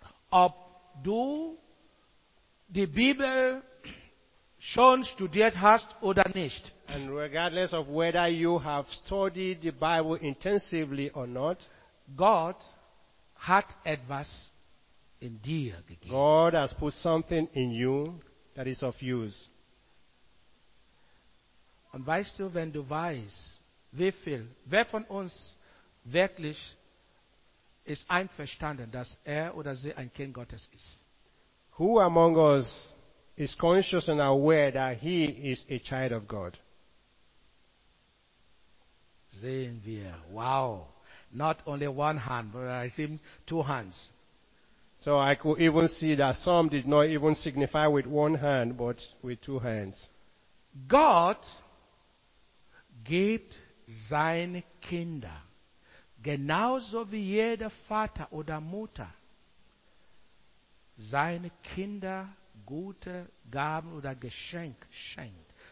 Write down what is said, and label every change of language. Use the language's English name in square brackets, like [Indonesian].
[German] Ob du die Bibel schon studiert hast oder nicht. [English] And regardless of whether you have studied the Bible intensively or not. [German] God hat etwas in dir gegeben. [English] God has put something in you that is of use. [German] Und weißt du, wenn du weißt, wie viel, wer von uns wirklich ist einverstanden, dass oder sie ein Kind Gottes ist? [English] Who among us is conscious and aware that he is a child of God? [German] Sehen wir, wow. [English] Not only one hand, but I see two hands. So I could even see that some did not even signify with one hand, but with two hands. [German] God gibt seine Kinder, genauso wie jeder Vater oder Mutter, seine Kinder gute Gaben oder Geschenk schenkt.